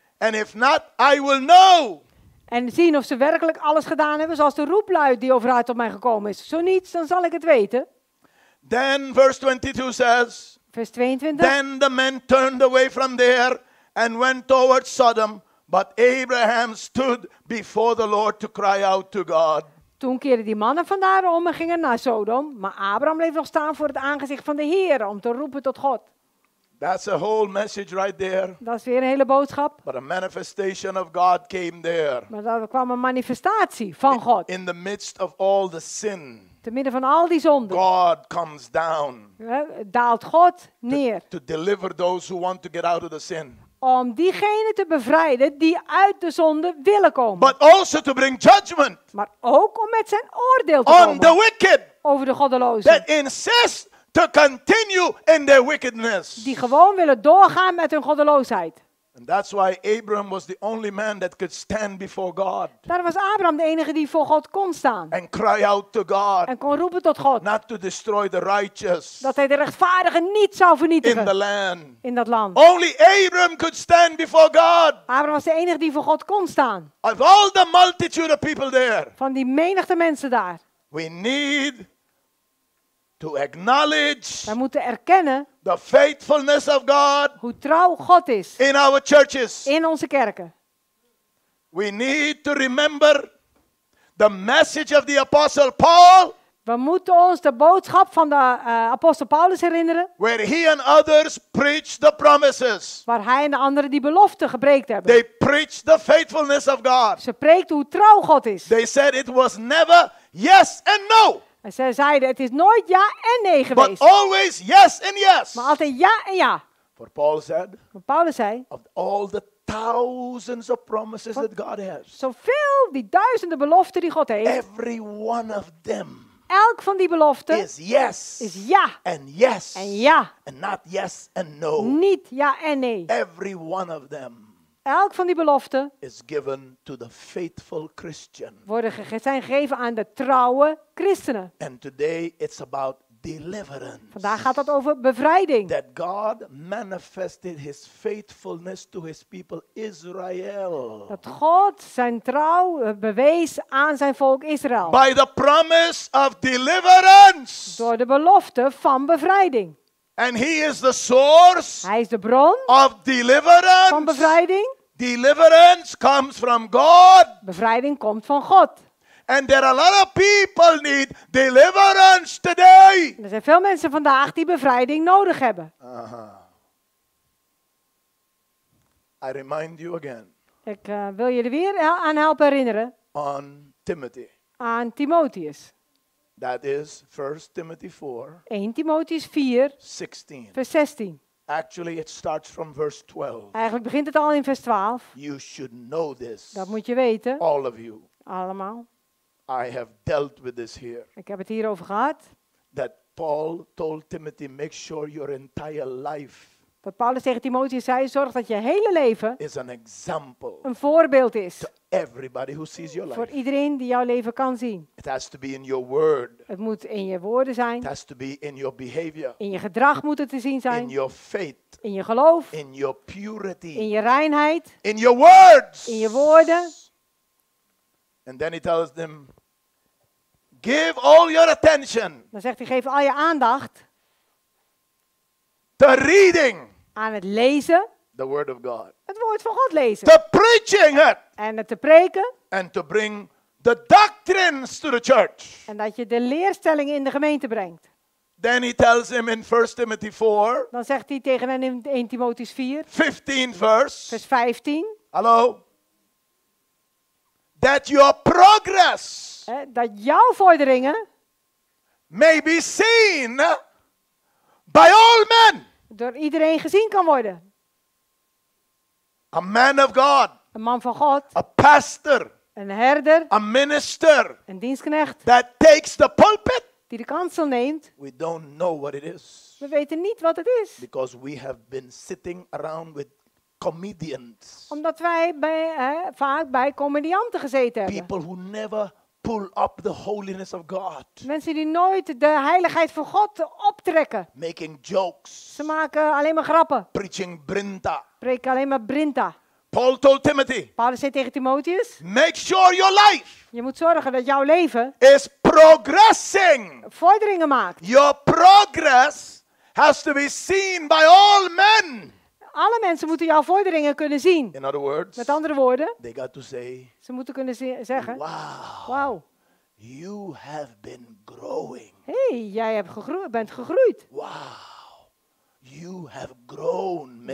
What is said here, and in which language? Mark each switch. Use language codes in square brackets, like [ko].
[en] And if not, I will know. [nl] En zien of ze werkelijk alles gedaan hebben zoals de roep luidt die over haar tot mij gekomen is. Zo niet, dan zal ik het weten. [en] Then verse 22 says. [nl] Vers 22. [en] Then the men turned away from there. And went towards Sodom, but Abraham stood before the Lord to cry out to God. [nl] Toen keerden die mannen van daar om en gingen naar Sodom, maar Abraham bleef nog staan voor het aangezicht van de Heer om te roepen tot God. [en] That's a whole message right there. [nl] Dat is weer een hele boodschap. [en] But a manifestation of God came there. [nl] Maar daar kwam een manifestatie van God. [en] In the midst of all the sin. [nl] Te midden van al die zonden. [en] God comes down. [nl] Daalt God neer. [en] To deliver those who want to get out of the sin. [nl] Om diegenen te bevrijden die uit de zonde willen komen. [en] But also to bring judgment. [nl] Maar ook om met zijn oordeel te [en] on [nl] komen. [en] On the wicked. [nl] Over de goddelozen. [en] That insist to continue in their wickedness. [nl] Die gewoon willen doorgaan met hun goddeloosheid. [en] And that's why Abraham was the only man that could stand before God. [nl] Daar was Abraham de enige die voor God kon staan. [en] And cry out to God. [nl] En kon roepen tot God. [en] Not to destroy the righteous. [nl] Dat hij de rechtvaardigen niet zou vernietigen. [en] In the land. [nl] In dat land. [en] Only Abraham could stand before God. [nl] Abraham was de enige die voor God kon staan. [en] Of all the multitude of people there. [nl] Van die menigte mensen daar. [en] We need to acknowledge. [nl] Wij moeten erkennen. [en] The faithfulness of God. [nl] Hoe trouw God is. [en] In our churches. [nl] In onze kerken. [en] We need to remember the message of the apostle Paul. [nl] We moeten ons de boodschap van de apostel Paulus herinneren. [en] Where he and others preached the promises. [nl] Waar hij en de anderen die belofte gebreekt hebben. [en] They preached the faithfulness of God. [nl] Ze preekten hoe trouw God is. [en] They said it was never yes and no. [nl] En zij zeiden, het is nooit ja en nee geweest. [en] But always yes and yes. [nl] Maar altijd ja en ja. [en] For Paul said, [nl] wat Paulus zei, [en] of all the thousands of promises that God has, [nl] zoveel die duizenden beloften die God heeft, [en] every one of them, [nl] elk van die beloften [en] is yes, [nl] is ja, [en] and yes, [nl] en ja, [en] and not yes and no, [nl] niet ja en nee. [en] Every one of them, [nl] elk van die beloften [en] is given to the faithful Christian, [nl] worden zijn gegeven aan de trouwe christenen. [en] And today it's about deliverance. [nl] Vandaag gaat het over bevrijding. [en] That God manifested his faithfulness to his people Israel. [nl] Dat God zijn trouw bewees aan zijn volk Israël. [en] By the promise of deliverance. [nl] Door de belofte van bevrijding. [en] And he is the source. [nl] Hij is de bron [en] of deliverance. [nl] Van bevrijding. [en] Deliverance comes from God. [nl] Bevrijding komt van God. [en] And there are a lot of people need deliverance today. [nl] Er zijn veel mensen vandaag die bevrijding nodig hebben. Uh-huh. [en] I remind you again. [nl] Ik wil jullie weer aan helpen herinneren. [en] On Timothy. [nl] Aan Timotheus. [en] That is 1 Timothy 4. [nl] 1 Timotheus 4. [en] 16. [nl] Vers 16. [en] Actually, it starts from verse 12. [nl] Eigenlijk begint het al in vers 12. [en] You should know this. [nl] Dat moet je weten. [en] All of you. [nl] Allemaal. [en] I have dealt with this here. [nl] Ik heb het hier over gehad. [en] That Paul told Timothy, make sure your entire life. [nl] Wat Paulus tegen Timotheus zei, zorg dat je hele leven [en] is an example. [nl] Een voorbeeld is. [en] To everybody who sees your life. [nl] Voor iedereen die jouw leven kan zien. [en] It has to be in your word. [nl] Het moet in je woorden zijn. [en] It has to be in your behavior. [nl] In je gedrag moet het te zien zijn. [en] In your faith. [nl] In je geloof. [en] In your purity. [nl] In je reinheid. [en] In your words. [nl] In je woorden. [en] And then he tells them, give all your attention. [nl] Dan zegt hij, geef al je aandacht. [en] The reading. [nl] Aan het lezen. [en] The word of God. [nl] Het woord van God lezen. [en] The preaching it. [nl] En het te preken. [en] And to bring the doctrines to the church. [nl] En dat je de leerstellingen in de gemeente brengt. [en] Then he tells him in 1 Timothy 4. [nl] Dan zegt hij tegen hem in 1 Timotheus 4. [en] 15 verse. [nl] Vers 15. [en] Hallo. That your progress. [nl] Dat jouw vorderingen. [en] May be seen. By all men. [nl] Door iedereen gezien kan worden. [en] A man of God. [nl] Een man van God. [en] A pastor. [nl] Een herder. [en] A minister. [nl] Een dienstknecht. [en] That takes the pulpit. [nl] Die de kansel neemt. [en] We don't know what it is. [nl] We weten niet wat het is. [en] Because we have been sitting around with comedians. [nl] Omdat wij vaak bij comedianten gezeten hebben. [en] People who never pull up the holiness of God. [nl] Mensen die nooit de heiligheid van God optrekken. [en] Making jokes. [nl] Ze maken alleen maar grappen. [en] Preaching brinta. [nl] Preken alleen maar brinta. [en] Paul told Timothy. [nl] Paulus zei tegen Timotheus. [en] Make sure your life. [nl] Je moet zorgen dat jouw leven. [en] Is progressing. [nl] Vorderingen maakt. [en] Your progress has to be seen by all men. [nl] Alle mensen moeten jouw vorderingen kunnen zien. [en] In other words, [nl] met andere woorden. [en] They got to say, [nl] ze moeten kunnen zeggen. [en] Wow. You have been growing. [nl] Hey, jij bent gegroeid. [en] Wow. You have grown, Mr.